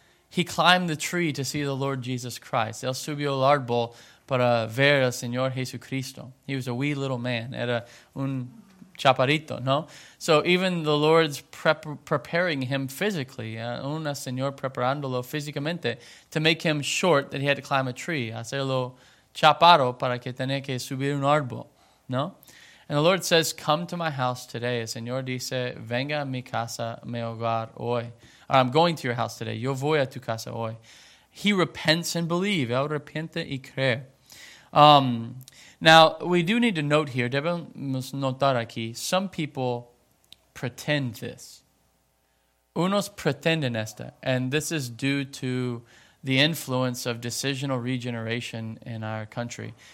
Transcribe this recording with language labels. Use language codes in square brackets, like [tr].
[en] He climbed the tree to see the Lord Jesus Christ. [es] Él subió al árbol para ver al Señor Jesucristo. [en] He was a wee little man. [es] Era un chaparito, ¿no? [en] So even the Lord's preparing him physically, [es] una señor preparándolo físicamente [en] to make him short that he had to climb a tree, [es] hacerlo chaparro para que tenía que subir un árbol, ¿no? [en] And the Lord says, come to my house today. [es] El Señor dice, venga a mi casa, mi hogar hoy. [en] Or, I'm going to your house today. [es] Yo voy a tu casa hoy. [en] He repents and believe. [es] Él repente y cree. [en] Now, we do need to note here, [es] debemos notar aquí, [en] some people pretend this. [es] Unos pretenden esta, [en] and this is due to the influence of decisional regeneration in our country.